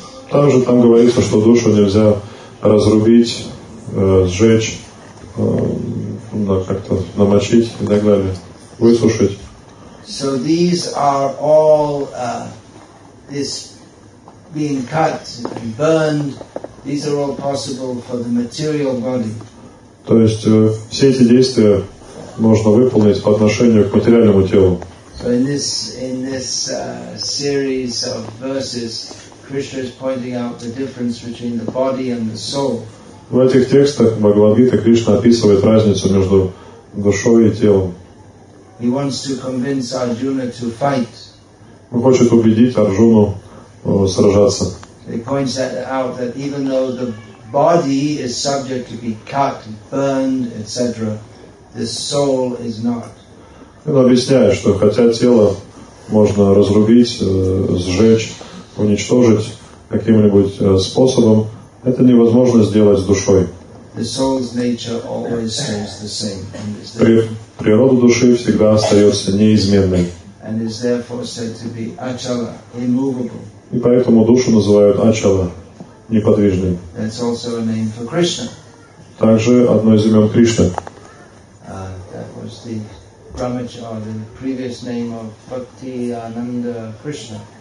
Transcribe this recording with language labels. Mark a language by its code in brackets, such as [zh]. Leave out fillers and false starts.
[ru] Также там говорится, что душу нельзя разрубить, сжечь, да, как-то намочить и так далее, высушить. [en] So these are all this being cut and burned, these are all possible for the material body. [ru] То есть все эти действия можно выполнить по отношению к материальному телу. [en] So in this series of verses, Krishna is pointing out the difference between the body and the soul. [ru] В этих текстах Бхагавад-гита Кришна описывает разницу между душой и телом. [en] He wants to convince Arjuna to fight. [ru] Он хочет убедить Арджуну сражаться. [en] He points that out that even though the body is subject to be cut, burned, etc., the soul is not. [ru] Он объясняет, что хотя тело можно разрубить, сжечь, уничтожить каким-нибудь способом, это невозможно сделать с душой. [en] The soul's nature always stays the same. [ru] Природа души всегда остается неизменной. [en] And is therefore said to be achala, immovable. [ru] И поэтому душу называют ачала, неподвижной. [en] That's also a name for Krishna. [ru] Также одно из имен Кришны. [en] That was the Brahmacha, or the previous name of Bhakti Ananda Krishna.